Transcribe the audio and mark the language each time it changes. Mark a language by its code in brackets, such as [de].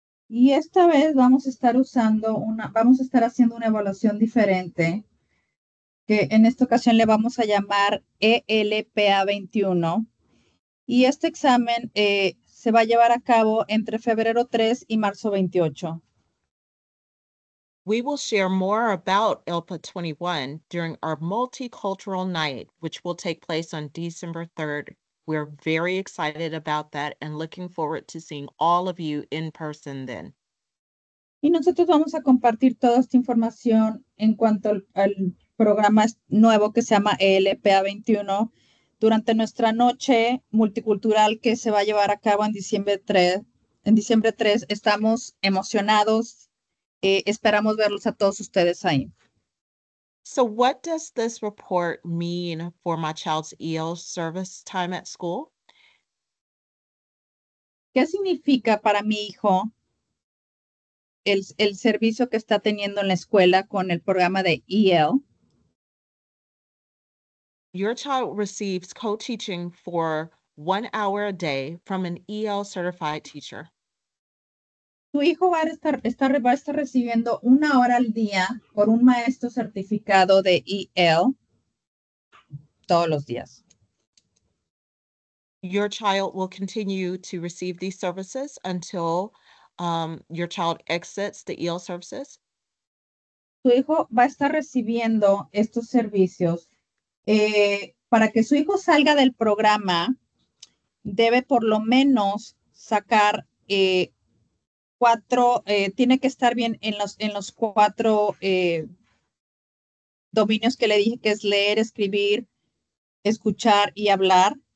[es] Y esta vez vamos a estar haciendo una evaluación diferente, que en esta ocasión le vamos a llamar ELPA 21. Y este examen se va a llevar a cabo entre febrero 3 y marzo 28. [en] We will share more about ELPA 21 during our multicultural night, which will take place on December 3rd. We're very excited about that and looking forward to seeing all of you in person then. [es] Y nosotros vamos a compartir toda esta información en cuanto al programa nuevo que se llama ELPA 21 durante nuestra noche multicultural que se va a llevar a cabo en diciembre 3. En diciembre 3 estamos emocionados. Esperamos verlos a todos ustedes ahí. [en] So what does this report mean for my child's EL service time at school? [es] ¿Qué significa para mi hijo el servicio que está teniendo en la escuela con el programa de EL? [en] Your child receives co-teaching for 1 hour a day from an EL certified teacher. [es] Tu hijo va a estar recibiendo 1 hora al día por un maestro certificado de EL todos los días. [en] Your child will continue to receive these services until your child exits the EL services. [es] Tu hijo va a estar recibiendo estos servicios. Para que su hijo salga del programa, debe por lo menos sacar tiene que estar bien en los cuatro dominios que le dije, que es leer, escribir, escuchar y hablar.